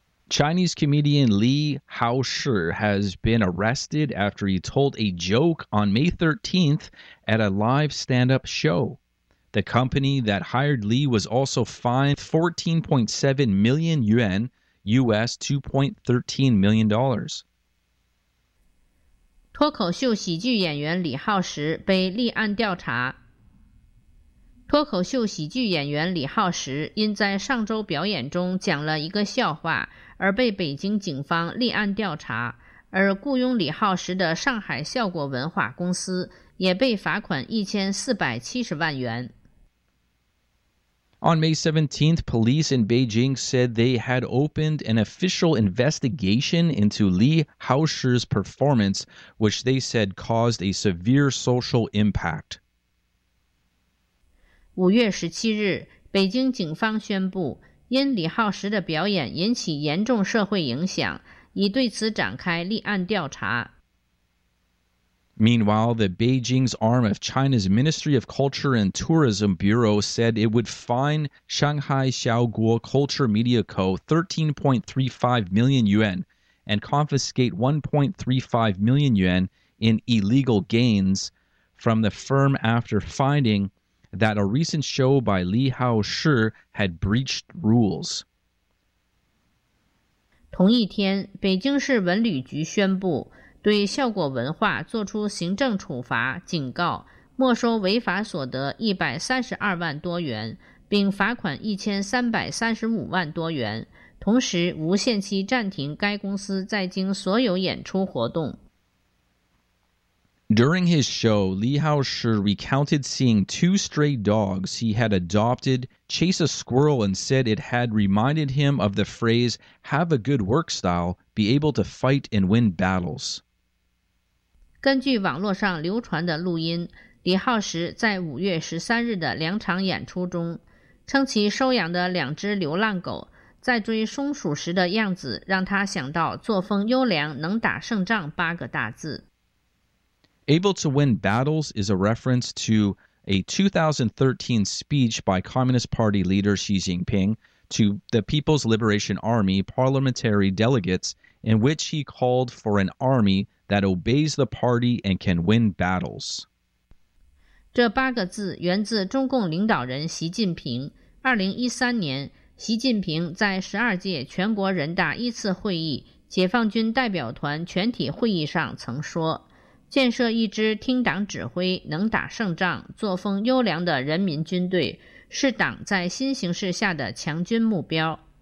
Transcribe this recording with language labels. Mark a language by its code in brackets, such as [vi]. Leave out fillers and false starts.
[en] Chinese comedian Li Haoshi has been arrested after he told a joke on May 13th at a live stand-up show. The company that hired Li was also fined 14.7 million yuan, U.S. $2.13 million. [zh] 脱口秀喜剧演员李浩石被立案调查。脱口秀喜剧演员李浩石因在上周表演中讲了一个笑话而被北京警方立案调查，而雇佣李浩石的上海效果文化公司也被罚款1470万元。 [en] On May 17th, police in Beijing said they had opened an official investigation into Li Haoshi's performance, which they said caused a severe social impact. [zh] 5月17日，北京警方宣布，因李浩石的表演引起严重社会影响，已对此展开立案调查。 [en] Meanwhile, the Beijing's arm of China's Ministry of Culture and Tourism Bureau said it would fine Shanghai Xiaoguo Culture Media Co. 13.35 million yuan and confiscate 1.35 million yuan in illegal gains from the firm after finding that a recent show by Li Haoshi had breached rules. [zh] 同一天，北京市文旅局宣布对效果文化作出行政处罚警告，没收违法所得132万多元，并罚款1335万多元，同时无限期暂停该公司在京所有演出活动。 [en] During his show, Li Haoshi recounted seeing two stray dogs he had adopted chase a squirrel and said it had reminded him of the phrase "have a good work style, be able to fight and win battles." [zh] 根据网络上流传的录音，李浩石在5月13日的两场演出中，称其收养的两只流浪狗在追松鼠时的样子，让他想到作风优良能打胜仗八个大字。 [en] Able to win battles is a reference to a 2013 speech by Communist Party leader Xi Jinping to the People's Liberation Army parliamentary delegates in which he called for an army that obeys the party and can win battles. [zh] 这八个字源自中共领导人习近平。 2013年，习近平在12届全国人大一次会议解放军代表团全体会议上曾说，建设一支听党指挥、能打胜仗、作风优良的人民军队，是党在新形势下的强军目标。